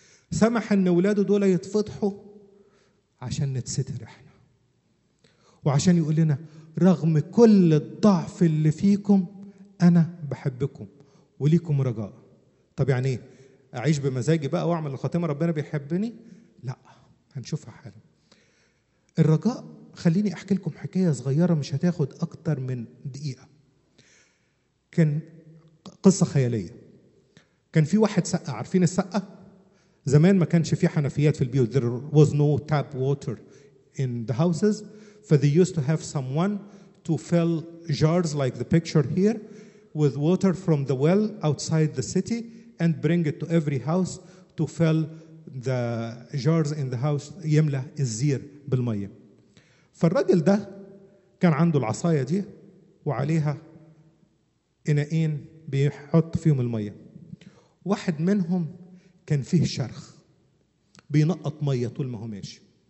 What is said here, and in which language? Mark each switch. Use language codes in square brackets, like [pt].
[ar] سمح ان ولاده دول يتفضحوا عشان نتستر احنا، وعشان يقول لنا رغم كل الضعف اللي فيكم انا بحبكم وليكم رجاء. طب يعني ايه اعيش بمزاجي بقى واعمل الخاتمة ربنا بيحبني؟ لا، هنشوفها حالا. الرجاء، خليني احكي لكم حكاية صغيرة مش هتاخد اكتر من دقيقة. كان قصة خيالية، كان في واحد سقى، عارفين السقى؟ زمان ما كانش في حنفيات في البيوت، [en] there was no tap water in the houses, for they used to have someone to fill jars like the picture here with water from the well outside the city and bring it to every house to fill the jars in the house. [ar] يملى الزير بالمية. فالرجل ده كان عنده العصاية دي وعليها إناءين بيحط فيهم المية، واحد منهم كان فيه شرخ بينقط مية طول ما هو ماشي.